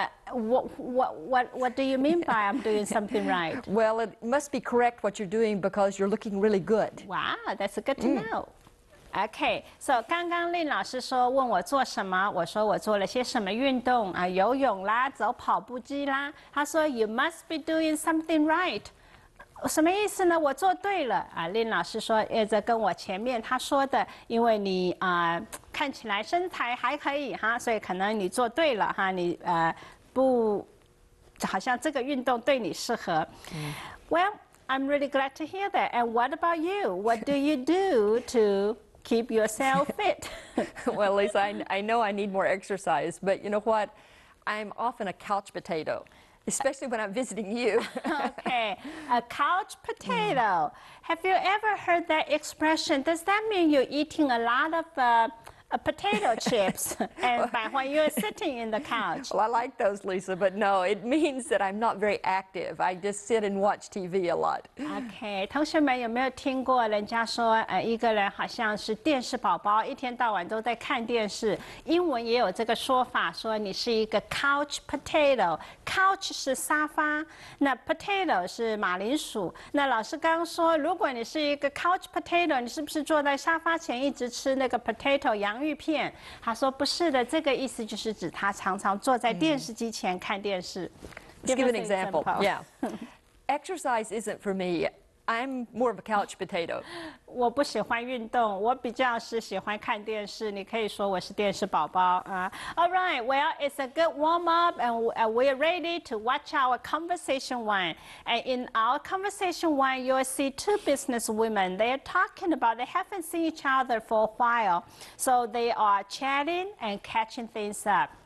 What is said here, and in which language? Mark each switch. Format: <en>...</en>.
<en>What do you mean by I'm doing something right? Well, it must be correct what you're doing because you're looking really good. Wow, that's good to know. Okay, so</en> <zh>刚刚令老师说问我做什么，我说我做了些什么运动啊，游泳啦，走跑步机啦。他说</zh> <en>you must be doing something right.</en> <zh>什么意思呢？我做对了啊！林老师说，接着跟我前面他说的，因为你看起来身材还可以哈，所以可能你做对了哈，你不，好像这个运动对你适合。</zh> <en>Well, I'm really glad to hear that. And what about you? What do you do to keep yourself fit? Well, Lisa, I know I need more exercise, but you know what? I'm often a couch potato. Especially when I'm visiting you. Okay, a couch potato. Have you ever heard that expression? Does that mean you're eating a lot of potato chips when you're sitting in the couch? Well, I like those, Lisa, but no, it means that I'm not very active. I just sit and watch TV a lot.</en> <zh>Okay, 同学们有没有听过人家说一个人好像是电视宝宝，一天到晚都在看电视。英文也有这个说法，说你是一个 couch potato. Couch 是沙发，那 potato 是马铃薯。那老师刚说，如果你是一个 couch potato, 你是不是坐在沙发前一直吃那个 potato 洋芋片，他说不是的，这个意思就是指他常常坐在电视机前看电视。</zh> <en>Let's give an example. Yeah. Exercise isn't for me. I'm more of a couch potato.</en> <zh>我不喜欢运动，我比较是喜欢看电视。你可以说我是电视宝宝啊。</zh> <en>All right. Well, it's a good warm up, and we're ready to watch our conversation one. And in our conversation one, you'll see two business women. They are talking about. They haven't seen each other for a while, so they are chatting and catching things up.</en>